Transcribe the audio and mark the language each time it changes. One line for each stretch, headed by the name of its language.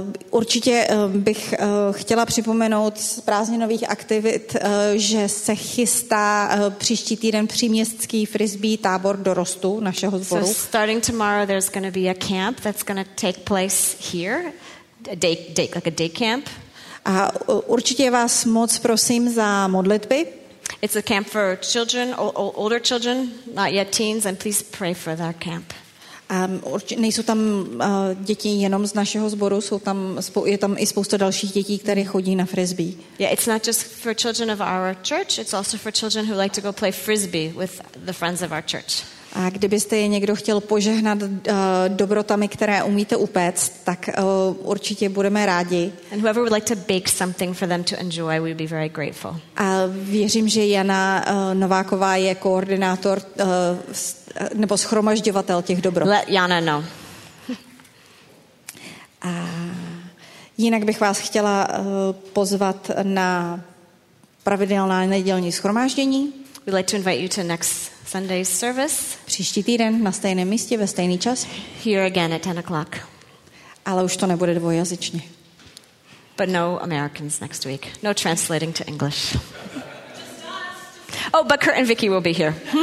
Czech: Určitě bych chtěla připomenout z prázdninových aktivit, že se chystá příští týden příměstský frisbee tábor dorostu našeho sboru.
English: So starting tomorrow there's going to be a camp that's going to take place here, a day camp.
Czech: A určitě vás moc prosím za modlitby.
English: It's a camp for children, older children, not yet teens, and please pray for that camp.
Czech: Nejsou tam děti jenom z našeho sboru, je tam i spousta dalších dětí, které chodí na frisbee.
English: Yeah, it's not just for children of our church, it's also for children who like to go play frisbee with the friends of our church.
Czech: A kdybyste je někdo chtěl požehnat dobrotami, které umíte upéct, tak určitě budeme rádi.
English: And whoever would like to bake something for them to enjoy, we'd be very grateful.
Czech: A věřím, že Jana Nováková je koordinátor nebo shromažďovatel těch dobrot.
English: Let Jana know.
Czech: A jinak bych vás chtěla pozvat na pravidelná nedělní shromáždění.
English: We'd like to invite you to next Sunday's service.
Czech: Příští týden na stejném místě ve stejný čas.
English: Here again at 10 o'clock.
Czech: Ale už to nebude dvojjazyčně.
English: But no Americans next week. No translating to English. Just us. Oh, but Kurt and Vicky will be here.